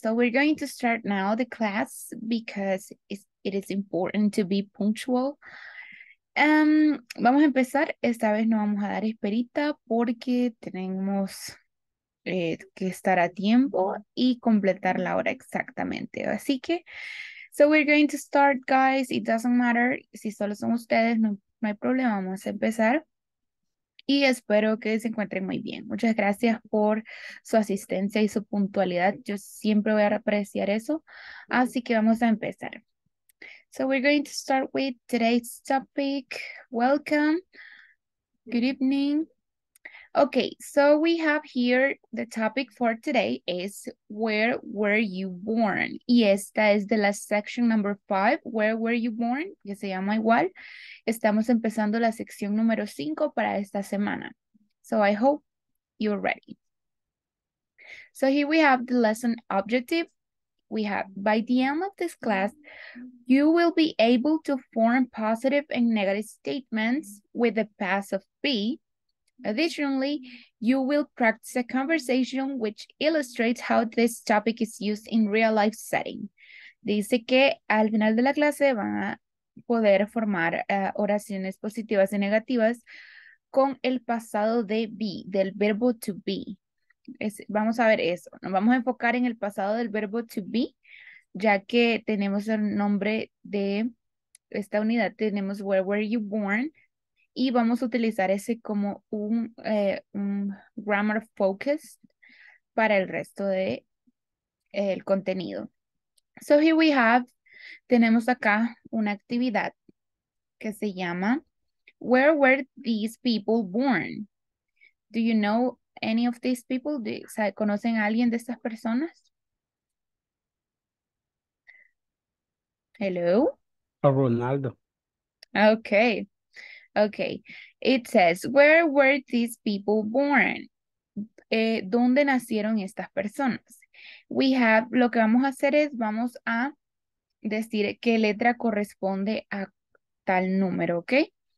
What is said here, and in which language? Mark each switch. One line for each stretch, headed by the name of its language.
English: So we're going to start now the class because it is important to be punctual.
Spanish: Vamos a empezar. Esta vez no vamos a dar esperita porque tenemos que estar a tiempo y completar la hora exactamente. Así que,
English: so we're going to start, guys. It doesn't matter.
Spanish: Si solo son ustedes, no hay problema. Vamos a empezar. Y espero que se encuentren muy bien. Muchas gracias por su asistencia y su puntualidad. Yo siempre voy a apreciar eso. Así que vamos a empezar.
English: So we're going to start with today's topic. Welcome. Good evening. Okay, so we have here the topic for today is where were you born?
Spanish: Y esta es de la
English: section number 5, where were you born?
Spanish: Que se llama igual. Estamos empezando la sección número 5 para esta semana.
English: So I hope you're ready. So here we have the lesson objective. We have, by the end of this class, you will be able to form positive and negative statements with the past of be. Additionally, you will practice a conversation which illustrates how this topic is used in real life setting.
Spanish: Dice que al final de la clase van a poder formar oraciones positivas y negativas con el pasado de be, del verbo to be. Vamos a ver eso. Nos vamos a enfocar en el pasado del verbo to be, ya que tenemos el nombre de esta unidad. Tenemos
English: where were you born.
Spanish: Y vamos a utilizar ese como un grammar focus para el resto de el contenido.
English: So here we have,
Spanish: tenemos acá una actividad que se llama
English: Where were these people born? Do you know any of these people?
Spanish: ¿Conocen a alguien de estas personas?
English: Hello.
Spanish: A Ronaldo.
English: Okay. Okay, it says, where were these people born?
Spanish: ¿Dónde nacieron estas personas?
English: We have,
Spanish: lo que vamos a hacer es, vamos a decir qué letra corresponde a tal número, ¿ok?